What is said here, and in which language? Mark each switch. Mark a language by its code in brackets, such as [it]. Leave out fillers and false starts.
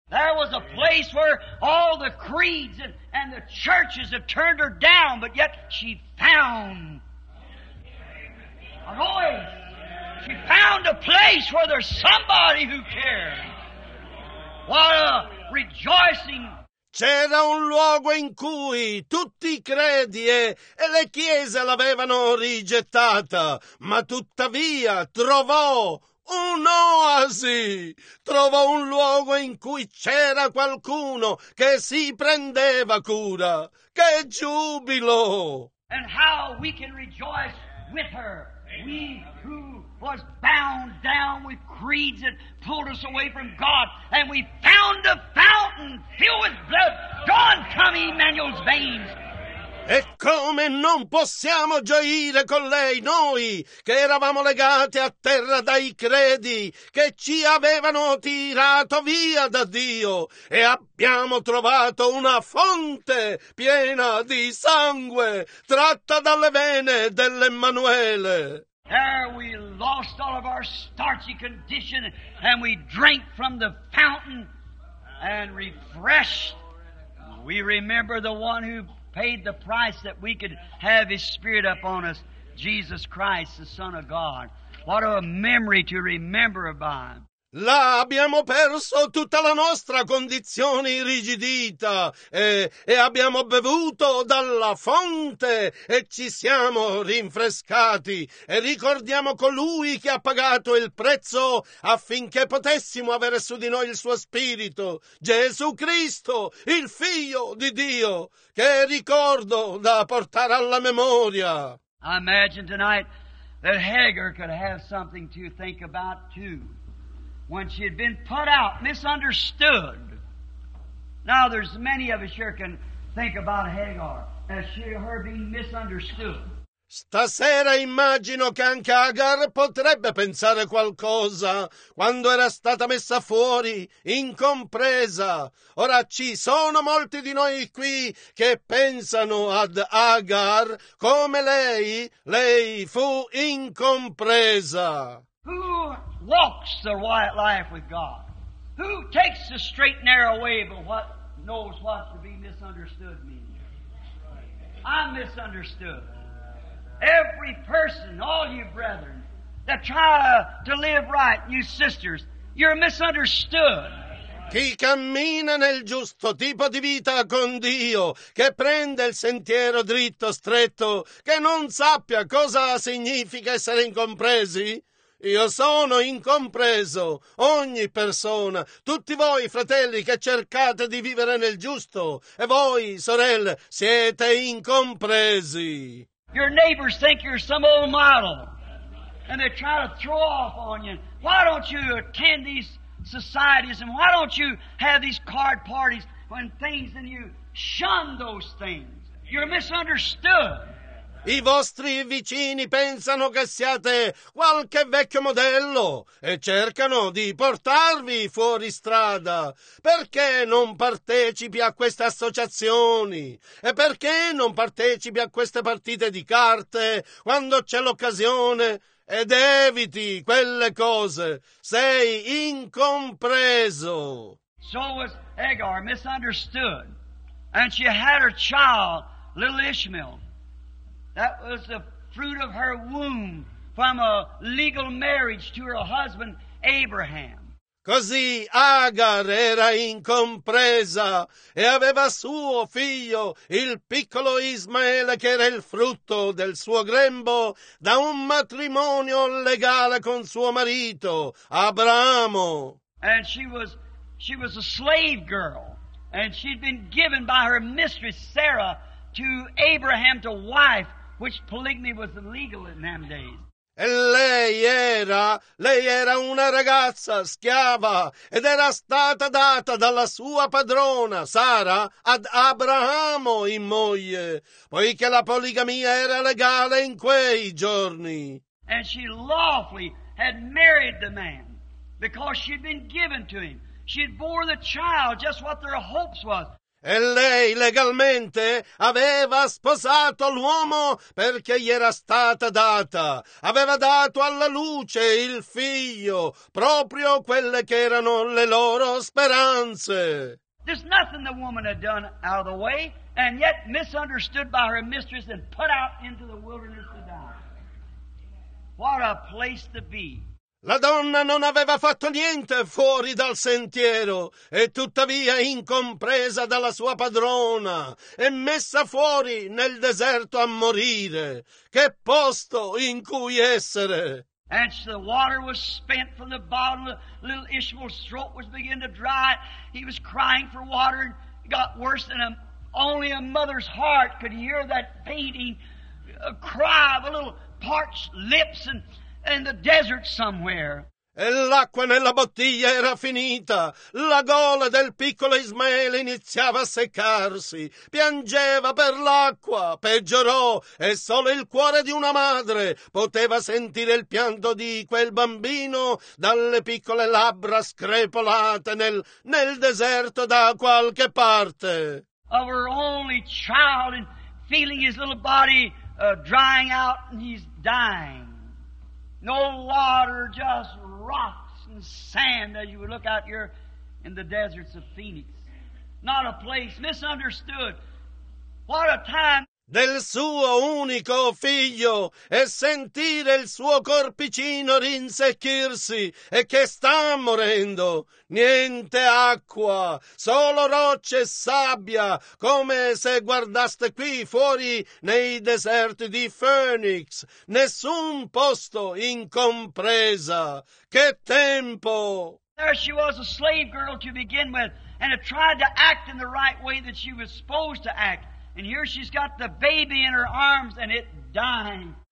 [en] There was a place where all the creeds and the churches have turned her down, but yet she found a voice. She found a place where there's somebody who cares. What a rejoicing! [it] C'era un luogo in cui tutti i credi e le chiese l'avevano rigettata, ma tuttavia trovò un'oasi, trovò un luogo in cui c'era qualcuno che si prendeva cura. Che giubilo! [en] And how we can rejoice with her, we who was bound down with creeds that pulled us away from God, and we found a fountain filled with blood. God, come Emmanuel's veins! [it] E come non possiamo gioire con lei, noi che eravamo legati a terra dai credi che ci avevano tirato via da Dio e abbiamo trovato una fonte piena di sangue tratta dalle vene dell'Emmanuele. [en] There we lost all of our starchy condition and we drank from the fountain and refreshed. We remember the one who paid the price that we could have his spirit upon us, Jesus Christ, the Son of God. What a memory to remember about. [it] Là abbiamo perso tutta la nostra condizione irrigidita e abbiamo bevuto dalla fonte e ci siamo rinfrescati e ricordiamo colui che ha pagato il prezzo affinché potessimo avere su di noi il suo spirito, Gesù Cristo, il Figlio di Dio. Che ricordo da portare alla memoria! [en] I imagine tonight that Hagar could have something to think about too. When she had been put out, misunderstood. Now there's many of us here can think about Hagar as she her being misunderstood. [it] Stasera immagino che anche Hagar potrebbe pensare qualcosa quando era stata messa fuori, incompresa. Ora ci sono molti di noi qui che pensano ad Hagar come lei fu incompresa. [en] Who walks the right life with God? Who takes the straight and narrow way but what knows what to be misunderstood means? I'm misunderstood. Every person, all you brethren, that try to live right, you sisters, you're misunderstood. [it] Chi cammina nel giusto tipo di vita con Dio, che prende il sentiero dritto, stretto, che non sappia cosa significa essere incompresi? Io sono incompreso, ogni persona, tutti voi fratelli che cercate di vivere nel giusto, e voi sorelle siete incompresi. [en] Your neighbors think you're some old model, and they try to throw off on you. Why don't you attend these societies, and why don't you have these card parties when things in you shun those things? You're misunderstood. [it] I vostri vicini pensano che siate qualche vecchio modello e cercano di portarvi fuori strada. Perché non partecipi a queste associazioni? E perché non partecipi a queste partite di carte quando c'è l'occasione? Ed eviti quelle cose. Sei incompreso. [en] So was Hagar misunderstood. And she had her child, little Ishmael. That was the fruit of her womb from a legal marriage to her husband Abraham. [it] Così Agar era incompresa e aveva suo figlio, il piccolo Ismaele, che era il frutto del suo grembo da un matrimonio legale con suo marito Abramo. [en] And she was a slave girl, and she'd been given by her mistress Sarah to Abraham to wife. Which polygamy was illegal in them days. [it] E lei era una ragazza schiava ed era stata data dalla sua padrona Sara ad Abramo in moglie, poiché la poligamia era legale in quei giorni. [en] And she lawfully had married the man because she'd been given to him. She'd bore the child, just what their hopes was. [it] E lei legalmente aveva sposato l'uomo perché gli era stata data. Aveva dato alla luce il figlio, proprio quelle che erano le loro speranze. [en] There's nothing the woman had done out of the way, and yet misunderstood by her mistress and put out into the wilderness to die. What a place to be. [it] La donna non aveva fatto niente fuori dal sentiero, e tuttavia incompresa dalla sua padrona, e messa fuori nel deserto a morire. Che posto in cui essere! [en] And so the water was spent from the bottom, little Ishmael's throat was beginning to dry, he was crying for water, and got worse than only a mother's heart could hear that fainting cry of a little parched lips and in the desert somewhere. [it] E l'acqua nella bottiglia era finita. La gola del piccolo Ismaele iniziava a seccarsi. Piangeva per l'acqua. Peggiorò. E solo il cuore di una madre poteva sentire il pianto di quel bambino dalle piccole labbra screpolate nel deserto da qualche parte. [en] Our only child and feeling his little body drying out and he's dying. No water, just rocks and sand as you would look out here in the deserts of Phoenix. Not a place, misunderstood. What a time! [it] Del suo unico figlio e sentire il suo corpicino rinsecchirsi e che sta morendo. Niente acqua, solo rocce e sabbia, come se guardaste qui fuori nei deserti di Phoenix. Nessun posto in compresa. Che tempo! [en] There she was, a slave girl to begin with, and had tried to act in the right way that she was supposed to act. And here she's got the baby in her arms and it dying.